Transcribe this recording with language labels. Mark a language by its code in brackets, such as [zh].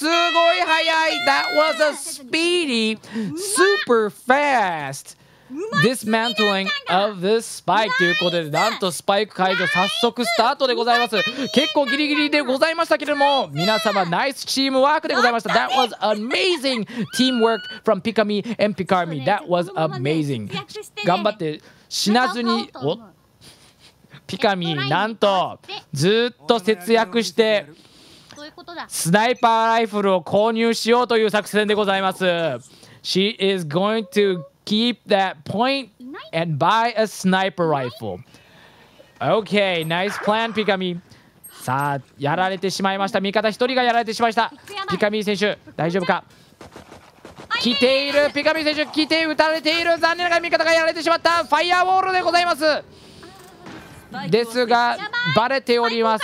[ja] すごい早い。 [en] That was a speedy super fast dismantling of the spike [ja] ということで、なんとスパイク解除早速スタートでございます。結構ギリギリでございましたけれども、皆様ナイスチームワークでございました。 [en] That was amazing teamwork from Pikamee and Pikamee. That was amazing. [ja] 頑張って死なずに、おっピカミなんとずっと節約してスナイパーライフルを購入しようという作戦でございます。 [en] She is going to keep that point and buy a sniper rifle. Okay, nice plan ピカミ。 [ja] さあやられてしまいました。味方一人がやられてしまいました。ピカミ選手大丈夫か。来ている、ピカミ選手来て撃たれている。残念ながら味方がやられてしまった。ファイアウォールでございますですが、バレております。